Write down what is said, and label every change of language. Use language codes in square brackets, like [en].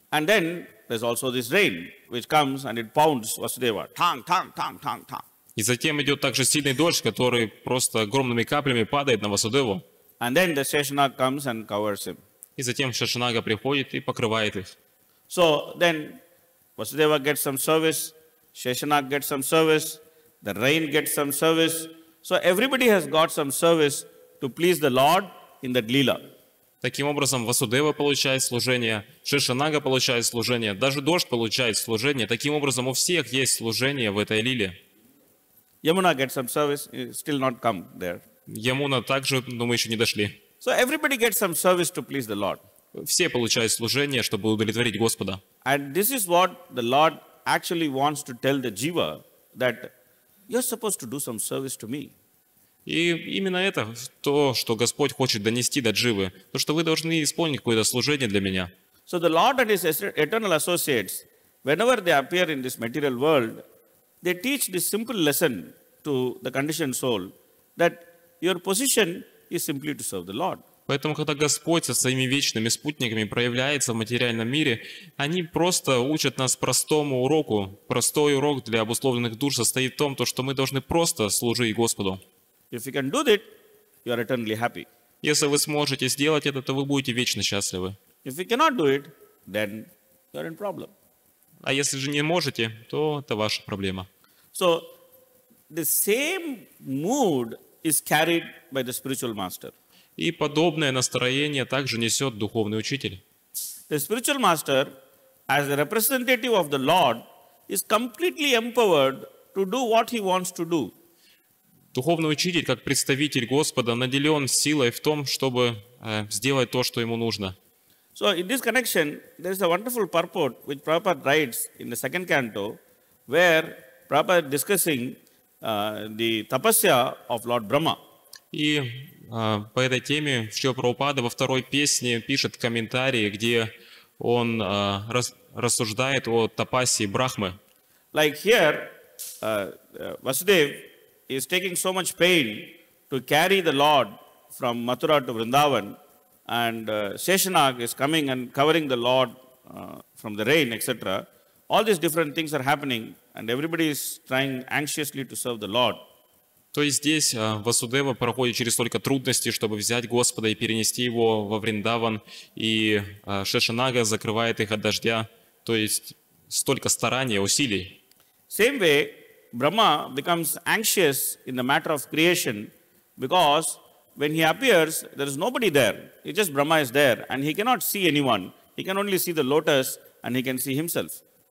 [en] And then there's also this rain, which comes and it pounds Vasudeva. Tang, tang, tang, tang, tang. [ru] И затем идет также сильный дождь, который просто огромными каплями падает на Васудеву. [en] And then the Шешанага comes and covers him. [ru] И затем Шешанага приходит и покрывает их. [en] So then Vasudeva gets some service, Шешанага gets some service, the rain gets some service. So everybody has got some service to please the Lord in that lila. [ru] Таким образом, Васудева получает служение, Шешанага получает служение, даже дождь получает служение. Таким образом, у всех есть служение в этой лиле. [en] Yamuna gets some service, still not come there. [ru] Yamuna также, но мы еще не дошли. [en] So everybody gets some service to please the Lord. [ru] Все получают служение, чтобы удовлетворить Господа. [en] And this is what the Lord actually wants to tell the jiva, that you're supposed to do some service to me. [ru] И именно это то, что Господь хочет донести до дживы, то, что вы должны исполнить какое-то служение для меня. [en] So the Lord and his eternal associates, whenever they appear in this material world, they teach this simple lesson to the conditioned soul that your position is simply to serve the Lord. [ru] Поэтому, когда Господь со своими вечными спутниками проявляется в материальном мире, они просто учат нас простому уроку. Простой урок для обусловленных душ состоит в том, что мы должны просто служить Господу. [en] If you can do that, you are eternally happy. [ru] Если вы сможете сделать это, то вы будете вечно счастливы. [en] If you cannot do it, then you are in problem. [ru] А если же не можете, то это ваша проблема. [en] So, the same mood is carried by the spiritual master. [ru] И подобное настроение также несет духовный учитель. [en] The spiritual master, as the representative of the Lord, is completely empowered to do what he wants to do. [ru] Духовный учитель, как представитель Господа, наделен силой в том, чтобы сделать то, что ему нужно. [en] So in this connection, there is a wonderful purport which Prabhupada writes in the second canto, where Prabhupada is discussing the tapasya of Lord Brahma. [ru] И по этой теме Шрила Прабхупада во второй песне пишет комментарии, где он рассуждает о тапасе Брахмы. [en] Like here, Vasudev is taking so much pain to carry the Lord from Mathura to Vrindavan, and Sheshanag is coming and covering the Lord from the rain, etc. All these different things are happening, and everybody is trying anxiously to serve the Lord. [ru] То есть здесь Васудева проходит через столько трудностей, чтобы взять Господа и перенести его во Вриндаван, и Шешанага закрывает их от дождя. То есть столько старания, усилий. [en] Same way, Brahma becomes anxious in the matter of creation, because when he appears, there is nobody there. It's just Brahma is there, and he cannot see anyone. He can only see the lotus, and he can see himself.